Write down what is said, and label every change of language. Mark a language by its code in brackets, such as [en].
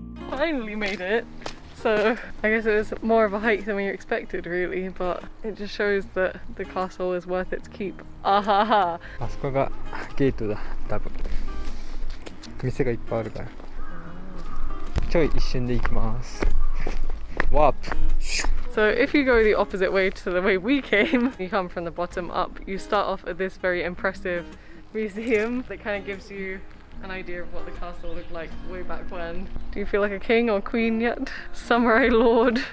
[en] Finally made it. So I guess it was more of a hike than we expected, really. But it just shows that the castle is worth its keep. Ah ha ha! [ja] あそこがゲートだ。多分店がいっぱいあるから。ちょい一瞬で行きます。ワープ。 [en] So if you go the opposite way to the way we came, you come from the bottom up. You start off at this very impressive museum that kind of gives you. An idea of what the castle looked like way back when. Do you feel like a king or queen yet? Samurai lord?